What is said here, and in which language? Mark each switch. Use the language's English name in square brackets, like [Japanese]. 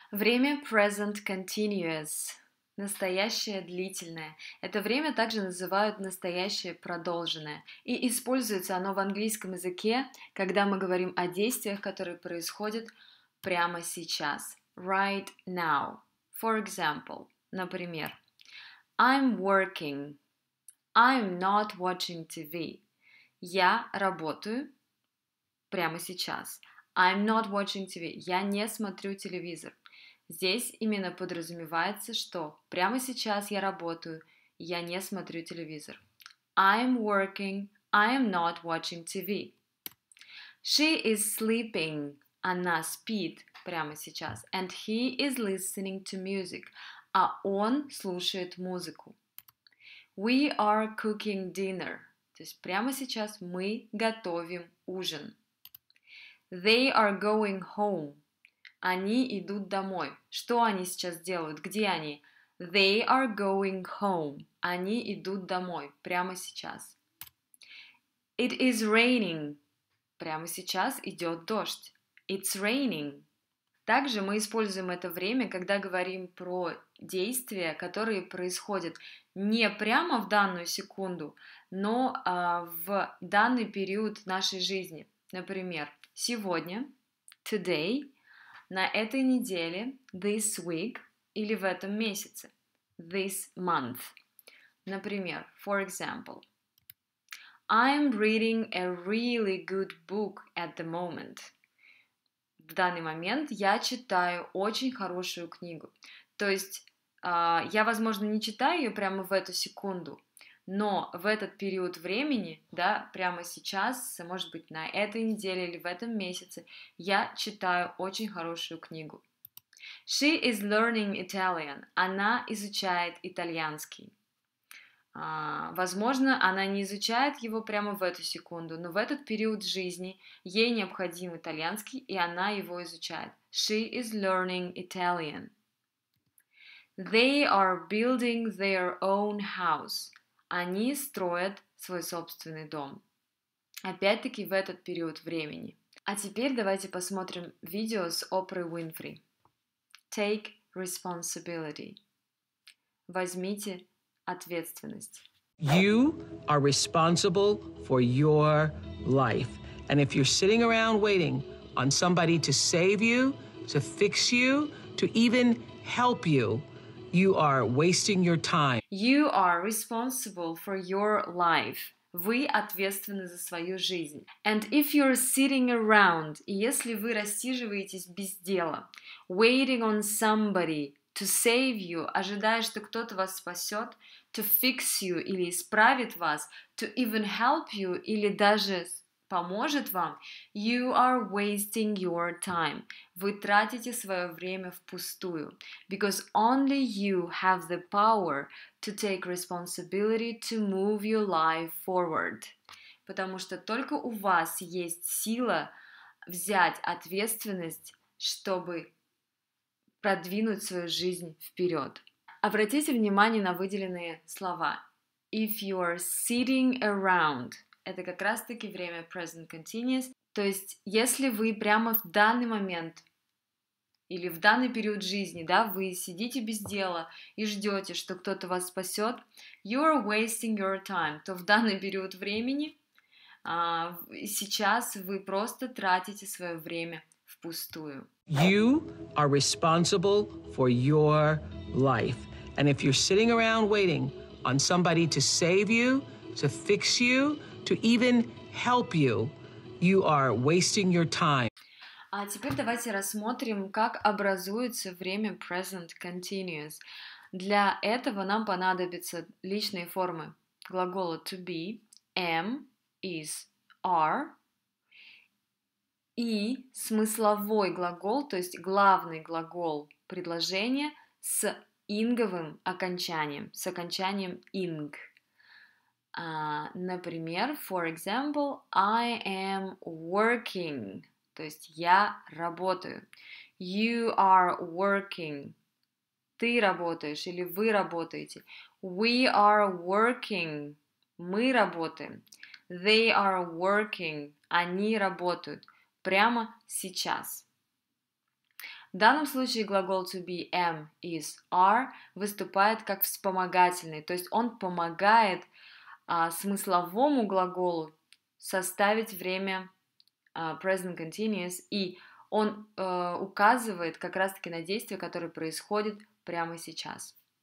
[Russian] Время present continuous. Настоящее длительное. Это время также называют настоящее продолженное. И используется оно в английском языке, когда мы говорим о действиях, которые происходят прямо сейчас. [English] Right now. For example, [Russian] например, [English] I'm working. I'm not watching TV. [Russian] Я работаю прямо сейчас. [English] I'm not watching TV. [Russian] Я не смотрю телевизор. Здесь именно подразумевается, что прямо сейчас я работаю, я не смотрю телевизор. [English] I'm working, I am not watching TV. She is sleeping, [Russian] она спит прямо сейчас. [English] And he is listening to music, [Russian] а он слушает музыку. [English] We are cooking dinner, [Russian] то есть прямо сейчас мы готовим ужин. [English] They are going home. [Russian] Они идут домой. Что они сейчас делают? Где они? [English] They are going home. [Russian] Они идут домой. Прямо сейчас. [English] It is raining. [Russian] Прямо сейчас идет дождь. [English] It's raining. [Russian] Также мы используем это время, когда говорим про действия, которые происходят не прямо в данную секунду, но в данный период нашей жизни. Например, сегодня, [English] today, [Russian] на этой неделе, [English] this week, [Russian] или в этом месяце, [English] this month. [Russian] Например, [English] for example, I'm reading a really good book at the moment. [Russian] В данный момент я читаю очень хорошую книгу. То есть, я, возможно, не читаю ее прямо в эту секунду, но в этот период времени, да, прямо сейчас, может быть, на этой неделе или в этом месяце, я читаю очень хорошую книгу. [English] She is learning Italian. [Russian] Она изучает итальянский. Возможно, она не изучает его прямо в эту секунду, но в этот период жизни ей необходим итальянский, и она его изучает. [English] She is learning Italian. They are building their own house. [Russian] Они строят свой собственный дом. Опять-таки в этот период времени. А теперь давайте посмотрим видео с Опрой Уинфри. [English] Take responsibility. [Russian] Возьмите ответственность. [English] You are responsible for your life. And if you're sitting around waiting on somebody to save you, to fix you, to even help you, you are wasting your time. You are responsible for your life. [Russian] Вы ответственны за свою жизнь. [English] And if you're sitting around, [Russian] и если вы рассиживаетесь без дела, [English] waiting on somebody to save you, [Russian] ожидая, что кто-то вас спасет, [English] to fix you, [Russian] или исправит вас, [English] to even help you, [Russian] или даже поможет вам, [English] you are wasting your time. [Russian] Вы тратите свое время впустую. [English] Because only you have the power to take responsibility to move your life forward. [Russian] Потому что только у вас есть сила взять ответственность, чтобы продвинуть свою жизнь вперед. Обратите внимание на выделенные слова. [English] If you are sitting around, [Russian] это как раз-таки время present continuous. То есть, если вы прямо в данный момент или в данный период жизни, да, вы сидите без дела и ждете, что кто-то вас спасет, [English] you are wasting your time, [Russian] то в данный период времени сейчас вы просто тратите свое время впустую. [English] You are responsible for your life. And if you're sitting around waiting on somebody to save you, to fix you, to even help you, you are wasting your time. [Russian] А теперь давайте рассмотрим, как образуется время present continuous. Для этого нам понадобятся личные формы глагола to be, am, is, are, и смысловой глагол, то есть главный глагол предложения с инговым окончанием, с окончанием ing. Например, [English] for example, I am working, [Russian] то есть я работаю. [English] You are working, [Russian] ты работаешь или вы работаете. [English] We are working, [Russian] мы работаем. [English] They are working, [Russian] они работают прямо сейчас. В данном случае глагол to be am, is, are выступает как вспомогательный, то есть он помогает смысловому глаголу составить время present continuous, и он указывает как раз-таки на действие, которое происходит прямо сейчас.